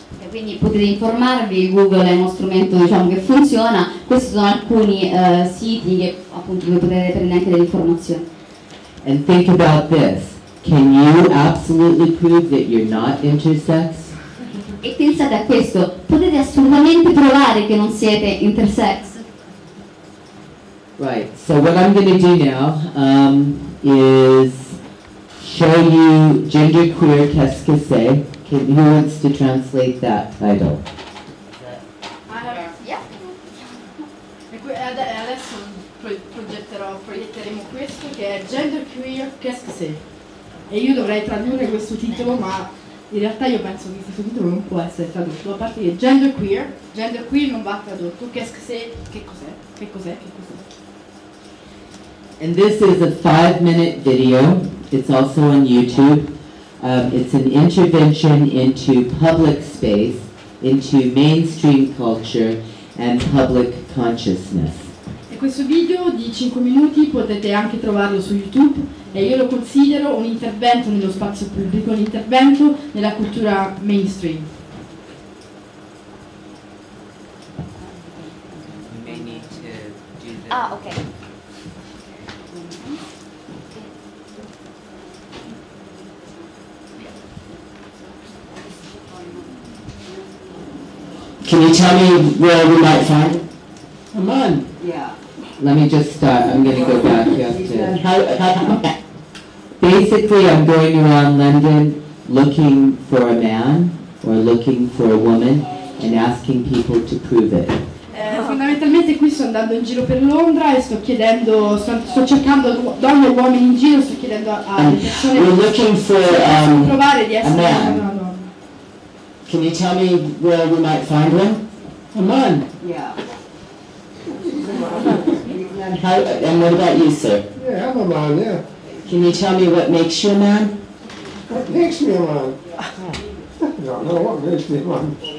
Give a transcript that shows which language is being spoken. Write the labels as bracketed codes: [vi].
[it] Quindi potete informarvi, Google è uno strumento diciamo che funziona, questi sono alcuni siti che appunto dove potete prendere anche delle informazioni. [en] And think about this. Can you absolutely prove that you're not intersex? [it] E pensate a questo, potete assolutamente provare che non siete intersex? [en] Right, so what I'm gonna do now is show you gender queer qu'est-ce. Who wants to translate that title? [it] Adesso proietteremo questo che è Gender Queer, [fr] qu'est-ce que c'est? [it] E io dovrei tradurre questo titolo, ma in realtà io penso che questo titolo non può essere tradotto. A parte che Gender Queer non va tradotto. [fr] Qu'est-ce que c'est? [it] Che cos'è? [en] And this is a 5-minute video. It's also on YouTube. It's an intervention into public space, into mainstream culture and public consciousness. [it] E questo video di 5 minuti potete anche trovarlo su YouTube e io lo considero un intervento nello spazio pubblico, un intervento nella cultura mainstream. [en] Okay. Can you tell me where we might find? Come on. Yeah. Let me just start. I'm going to go back. You have to. Basically, I'm going around London looking for a man or looking for a woman and asking people to prove it. [it] Fondamentalmente qui sto andando in giro per Londra e sto chiedendo, sto cercando donne e uomini in giro, sto chiedendo alle persone. [en] Looking for [it] provare di essere [en] a man. Can you tell me where we might find one? A man. Yeah. And what about you, sir? Yeah, I'm a man, yeah. Can you tell me what makes you a man? What makes me a man? I don't know what makes me a man.